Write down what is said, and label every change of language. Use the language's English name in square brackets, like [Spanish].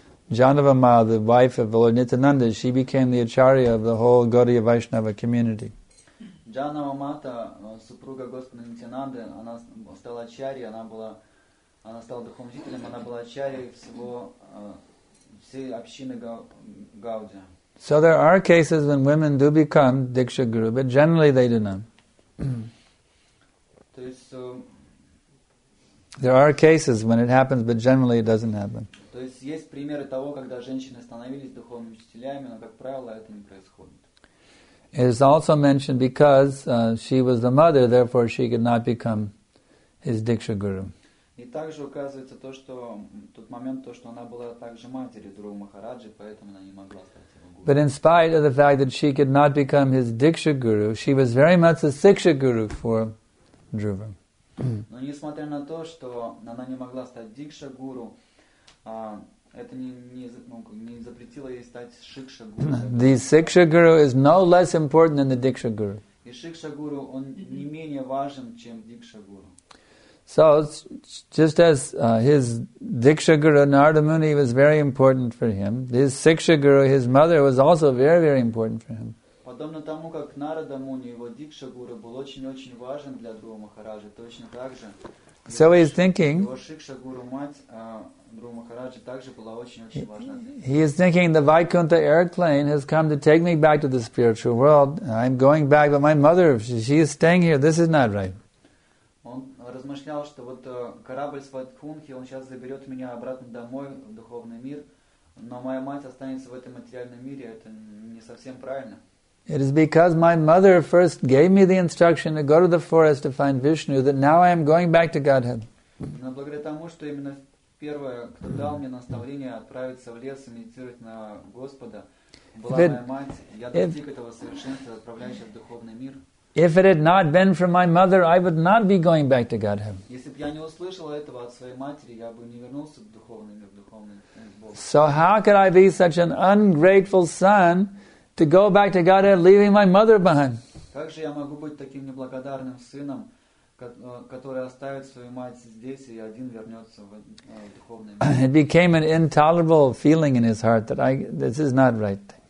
[English] Janava Ma, the wife of Lord Nityananda, she became the acharya of the whole Gaudiya Vaishnava community. [Russian] Janava Mata, супруга Господа Нитянанды, она стала ачарьей, она стала духовным учителем, она была ачарьей всего всей общины Гауди. [English] So there are cases when women do become Diksha Guru, but generally they do not. [Russian] То есть, [English] there are cases when it happens, but generally it doesn't happen. [Russian] То есть есть примеры того, когда женщины становились духовными учителями, но, как правило, это не происходит. [English] It is also mentioned because she was the mother, therefore she could not become his Diksha Guru. [Russian] И также указывается то, что тот момент, то, что она была также матерью Друга Махараджи, поэтому она не могла стать его гуру. [English] But in spite of the fact that she could not become his Diksha Guru, she was very much a Siksha Guru for Dhruva. [Russian] Но несмотря на то, что она не могла стать Дикша Гуру, это не запретило ей стать Шикша Гуру. [English] The Siksha Guru is no less important than the Diksha Guru. [Russian] И Шикша Гуру, он не менее важен, чем Дикша Гуру. [English] So, just as his Diksha Guru, Narada Muni, was very important for him, his Siksha Guru, his mother, was also very, very important for him. [Russian] Подобно тому, как Нарада Муни, его Дикша Гуру, был очень-очень важен для Друга Махараджи, точно так же, [English] so he's thinking, [Russian] его Шикша Гуру, мать Друга Махараджи, также была очень-очень важна. [English] He is thinking, the Vaikuntha airplane has come to take me back to the spiritual world. I'm going back, but my mother, she is staying here. This is not right. [Russian] Размышлял, что вот корабль с Вайкунхи, он сейчас заберет меня обратно домой, в духовный мир, но моя мать останется в этом материальном мире, это не совсем правильно. [English] It is because my mother first gave me the instruction to go to the forest to find Vishnu, that now I am going back to Godhead. [Russian] Но благодаря тому, что именно первое, кто дал мне наставление отправиться в лес и медитировать на Господа, была моя мать, я достиг этого совершенства, отправляющего в духовный мир. [English] If it had not been for my mother, I would not be going back to Godhead. [Russian] Если бы я не услышал этого от своей матери, я бы не вернулся в духовный мир, в духовный мир. [English] So how could I be such an ungrateful son to go back to Godhead, leaving my mother behind? [Russian] Как же я могу быть таким неблагодарным сыном, который оставит свою мать здесь и один вернется в духовный мир? [English] It became an intolerable feeling in his heart that this is not right.